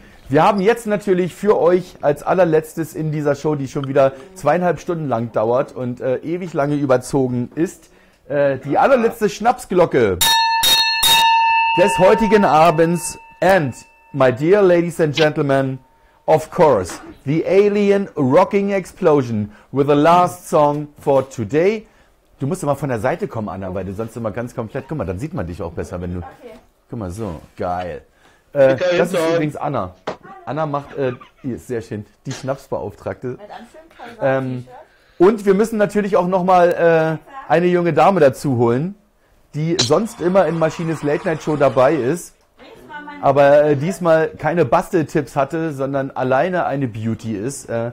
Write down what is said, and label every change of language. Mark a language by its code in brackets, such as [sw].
[de] Wir haben jetzt natürlich für euch als allerletztes in dieser Show, die schon wieder 2,5 Stunden lang dauert und ewig lange überzogen ist, die allerletzte Schnapsglocke des heutigen Abends. [en] And my dear ladies and gentlemen, of course, the Alien Rocking Explosion with the last song for today. [de] Du musst immer von der Seite kommen, Anna, weil du sonst immer ganz komplett. Guck mal, dann sieht man dich auch besser, wenn du. Okay. Guck mal, so, geil. Das ist übrigens Anna. Anna macht, die ist sehr schön, die Schnapsbeauftragte. Und wir müssen natürlich auch nochmal eine junge Dame dazu holen, die sonst immer in Maschines Late Night Show dabei ist, aber diesmal keine Basteltipps hatte, sondern alleine eine Beauty ist.